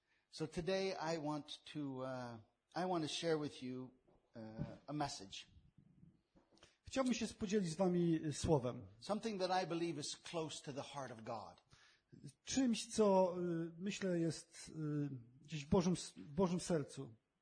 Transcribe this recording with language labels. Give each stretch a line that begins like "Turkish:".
English: So today I want to share with you a message.
Polish: Chciałbym się podzielić z wami słowem.
English: Something that I believe is close to the heart of God.
Polish: Czymś, co myślę jest gdzieś w Bożym sercu.